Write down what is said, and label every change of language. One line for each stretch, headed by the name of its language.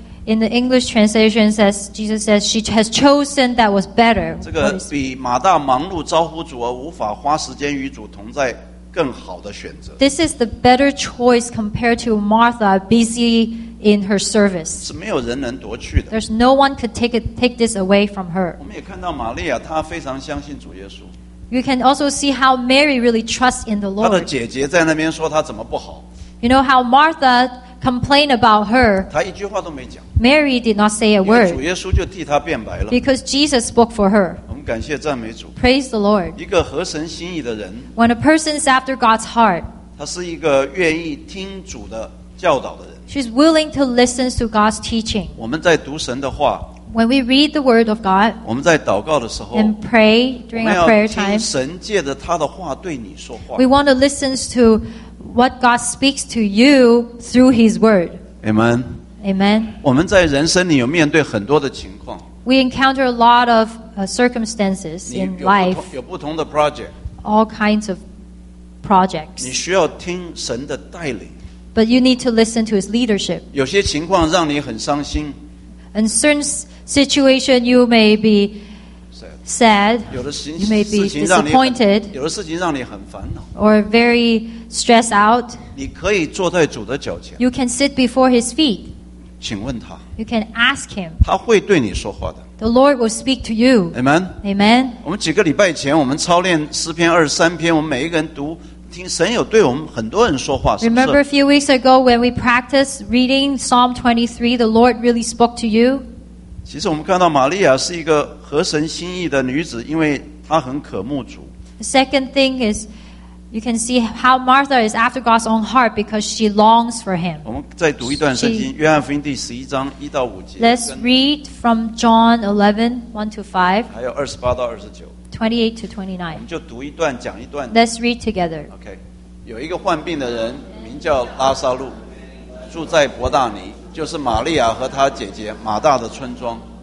English: In the English translation, says Jesus says she has chosen that was better.
Chinese: 这个比马大忙碌招呼主而无法花时间与主同在更好的选择。
English: This is the better choice compared to Martha busy in her service.
Chinese: 是没有人能夺去的。
English: There's no one could take this away from her.
Chinese: 我们也看到玛利亚，她非常相信主耶稣。
English: You can also see how Mary really trusts in the Lord.
Chinese: 她的姐姐在那边说她怎么不好。
English: You know how Martha complain about her.
Chinese: 她一句话都没讲。
English: Mary did not say a word.
Chinese: 主耶稣就替她辩白了。
English: Because Jesus spoke for her.
Chinese: 我们感谢赞美主。
English: Praise the Lord.
Chinese: 一个合神心意的人。
English: When a person is after God's heart.
Chinese: 她是一个愿意听主的教导的人。
English: She's willing to listen to God's teaching.
Chinese: 我们在读神的话。
English: When we read the word of God,
Chinese: 我们在祷告的时候,
English: and pray during our prayer time,
Chinese: 我们要听神借着他的话对你说话。
English: We want to listen to what God speaks to you through his word. Amen. Amen.
Chinese: 我们在人生里有面对很多的情况。
English: We encounter a lot of circumstances in life.
Chinese: 有不同的 project.
English: All kinds of projects.
Chinese: 你需要听神的带领。
English: But you need to listen to his leadership.
Chinese: 有些情况让你很伤心。
English: In certain situation, you may be sad. You may be disappointed.
Chinese: 有的事情让你很烦恼。
English: Or very stressed out.
Chinese: 你可以坐在主的脚前。
English: You can sit before His feet.
Chinese: 请问他。
English: You can ask Him.
Chinese: 他会对你说话的。
English: The Lord will speak to you. Amen. Amen.
Chinese: 我们几个礼拜前，我们操练诗篇二十三篇，我们每一个人读。神有对我们很多人说话，是不是？
English: Remember a few weeks ago when we practiced reading Psalm 23, the Lord really spoke to you.
Chinese: 其实我们看到玛利亚是一个合神心意的女子，因为她很渴慕主。
English: The second thing is, you can see how Martha is after God's own heart because she longs for Him.
Chinese: 我们再读一段圣经，约翰福音第十一章一到五节。
English: Let's read from John 11, 1 to 5.
Chinese: 还有二十八到二十九。
English: 28 to 29.
Chinese: 我们就读一段，讲一段。
English: Let's read together.
Chinese: Okay, 有一个患病的人，名叫拉撒路，住在伯大尼，就是玛利亚和她姐姐马大的村庄。